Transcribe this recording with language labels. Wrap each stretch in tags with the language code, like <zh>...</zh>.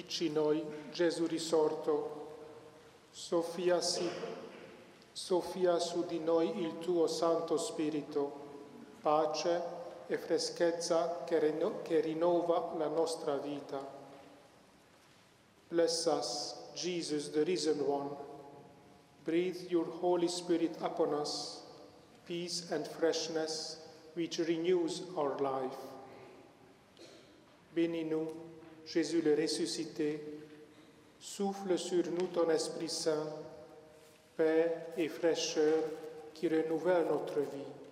<it>Noi Gesù risorto, soffia su di noi il tuo Santo Spirito, pace e freschezza che rinnova la nostra vita.</it> <en>Bless us, Jesus, the risen one. Breathe your Holy Spirit upon us, peace and freshness which renews our life.</en> <fr>Beni nous, Jésus le ressuscité, souffle sur nous ton Esprit Saint, paix et fraîcheur qui renouvelle notre vie.</fr>